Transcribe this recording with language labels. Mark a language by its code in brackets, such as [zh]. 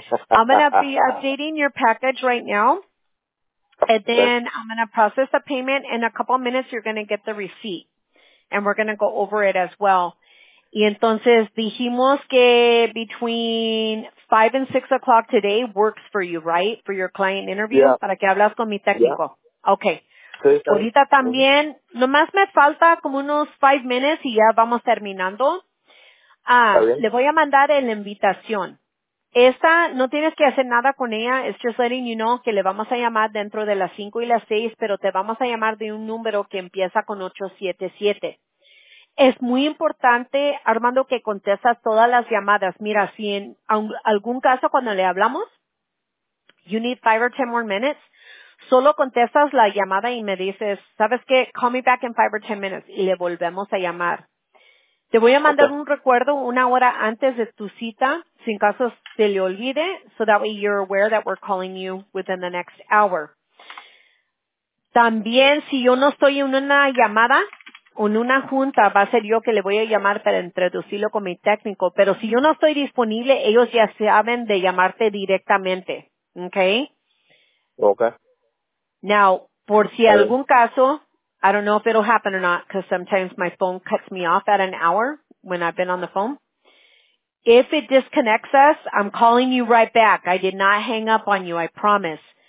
[en] I'm going to be updating your package right now. And then I'm going to process the payment. In a couple of minutes, you're going to get the receipt. And we're going to go over it as well. [es] Y entonces dijimos que [en] between 5 and 6 o'clock today works for you, right? For your client interview, yeah. [es] Para que hablas con mi técnico. [en] Yeah. Okay. [es] Sí, sí. Ahorita también, nomás me falta como unos 5 [en] minutes [es] y ya vamos terminando. Le voy a mandar la invitación. Esta, no tienes que hacer nada con ella. [en] It's just letting you know [es] que le vamos a llamar dentro de las 5 y las 6, pero te vamos a llamar de un número que empieza con 877. Es muy importante, Armando, que contestas todas las llamadas. Mira, si en algún caso cuando le hablamos, [en] you need 5 or 10 more minutes, [es] solo contestas la llamada y me dices, ¿sabes qué? [en] Call me back in 5 or 10 minutes [es] y le volvemos a llamar. Te voy a mandar un recuerdo una hora antes de tu cita, sin caso se le olvide, [en] so that way you're aware that we're calling you within the next hour. [es] También, si yo no estoy en una llamada, en una junta va a ser yo que le voy a llamar para introducirlo con mi técnico. Pero si yo no estoy disponible, ellos ya saben de llamarte directamente. ¿Ok? Ok. [en] Now, [es] por si algún caso, [en] I don't know if it'll happen or not, because sometimes my phone cuts me off at an hour when I've been on the phone. If it disconnects us, I'm calling you right back. I did not hang up on you, I promise.